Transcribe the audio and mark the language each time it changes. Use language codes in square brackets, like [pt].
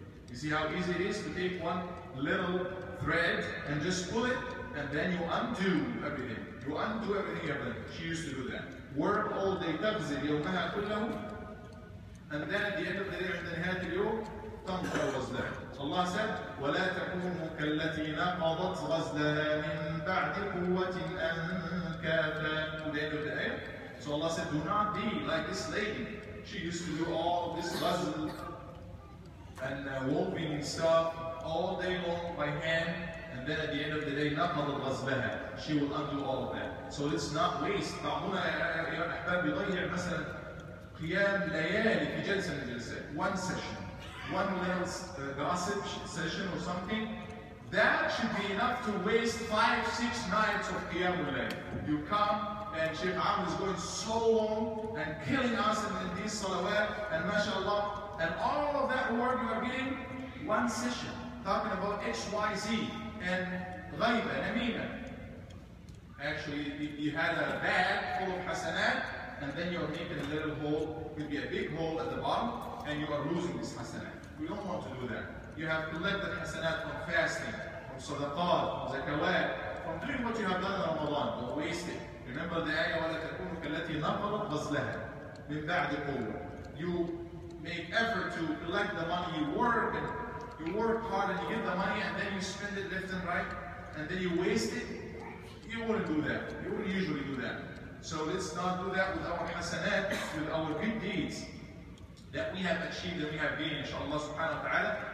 [en] You see how easy it is to take one little thread and just pull it, and then you undo everything. You undo everything you have done. She used to do that. Work all day, [ar] تغزي يومها كله. [en] And then at the end of the day, [ar] عند نهاية اليوم, تنظر غزلها. [en] Allah said, [ar] وَلَا تَكُونُوا كَالَّتِي نَقَضَتْ غَزْلَهَا مِنْ بَعْدِ قُوَّةٍ أَنْكَافَ. [en] To the end of the ayah. So Allah said, do not be like this lady. She used to do all this ghazl and woven and stuff all day long by hand. And then at the end of the day, [ar] نَقَضَتْ غَزْلَهَا. [en] She will undo all of that. So let's not waste. [ar] بعضنا يا أحباب يضيع مثلا قيام ليالي في جلسة من جلسة. [en] One session. One little gossip session or something, that should be enough to waste 5-6 nights of Qiyam al-Layl. You come and Sheikh Amr is going so long and killing us in these salawat and mashallah, and all of that work you are getting, one session talking about XYZ and Ghaib and Amina. Actually, you had a bag full of hasanat, and then you're making a little hole, could be a big hole at the bottom, and you are losing this hasanat. We don't want to do that. You have collected hasanat from fasting, from sadaqah, from zakawat, from doing what you have done in Ramadan, don't waste it. Remember the ayah, [ar] وَلَا تَكُونُ كَالَّتِي نَقَضَتْ غَزْلَهَا مِنْ بَعْدِ قُوَّةٍ. [en] You make effort to collect the money, you work hard and you get the money, and then you spend it left and right, and then you waste it. You wouldn't do that. You wouldn't usually do that. So let's not do that with our hasanat, with our good deeds that we have achieved, that we have gained, inshallah subhanahu wa ta'ala.